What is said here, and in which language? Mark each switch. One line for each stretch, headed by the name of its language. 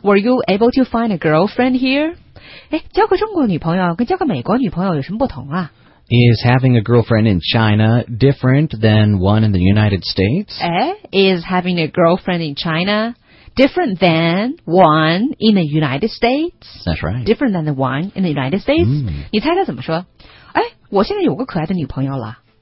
English: Were you able to find a girlfriend here?
Chinese: 诶，交个中国女朋友跟交个美国女朋友有什么不同啊？
English: Is having a girlfriend in China different than one in the United States? 诶, is having a girlfriend in China different than one in the United States? That's right. Different than the one in the United States?、 Mm.
Chinese: 你猜他怎么说？诶，我现在有个可爱的女朋友了。